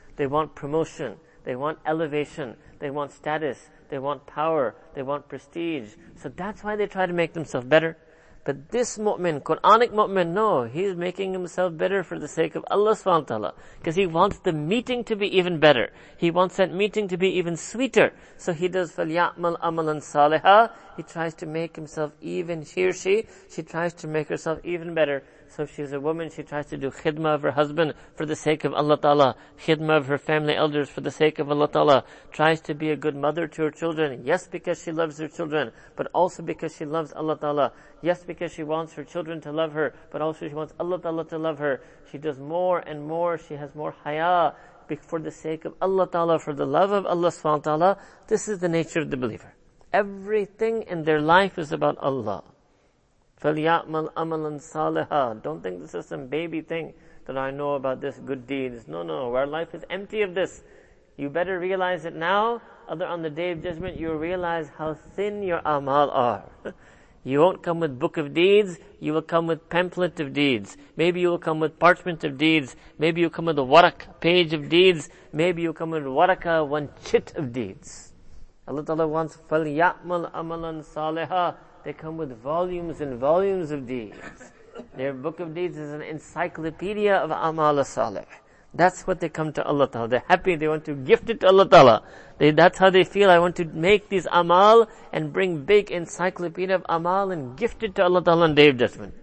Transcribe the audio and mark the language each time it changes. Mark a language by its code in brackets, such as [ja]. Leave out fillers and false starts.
[en] They want promotion. They want elevation. They want status. They want power. They want prestige. So that's why they try to make themselves better. But this mu'min, Quranic mu'min, no, he's making himself better for the sake of Allah subhanahu wa ta'ala. Because he wants the meeting to be even better. He wants that meeting to be even sweeter. So he does [ar] فَلْيَعْمَلْ أَمَلًا صَالِحًا. [en] He tries to make himself even, she tries to make herself even better. So if she's a woman, she tries to do khidmah of her husband for the sake of Allah ta'ala. Khidmah of her family elders for the sake of Allah ta'ala. Tries to be a good mother to her children. Yes, because she loves her children, but also because she loves Allah ta'ala. Yes, because she wants her children to love her, but also she wants Allah ta'ala to love her. She does more and more. She has more haya for the sake of Allah ta'ala, for the love of Allah subhanahu wa ta'ala. This is the nature of the believer. Everything in their life is about Allah. [ar] فَلْيَعْمَلْ أَمَلًا صَالِحًا. [en] Don't think this is some baby thing that I know about this good deeds. No, no, our life is empty of this. You better realize it now, other on the Day of Judgment, you'll realize how thin your amal are. You won't come with book of deeds, you will come with pamphlet of deeds. Maybe you will come with parchment of deeds. Maybe you come with a warak, page of deeds. Maybe you come with waraka, one chit of deeds. Allah Ta'ala wants [ar] فَلْيَعْمَلْ أَمَلًا صَالِحًا. [en] They come with volumes and volumes of deeds. Their book of deeds is an encyclopedia of amal salih. That's what they come to Allah Ta'ala. They're happy, they want to gift it to Allah Ta'ala. That's how they feel. I want to make these amal and bring big encyclopedia of amal and gift it to Allah Ta'ala on Day of Judgment.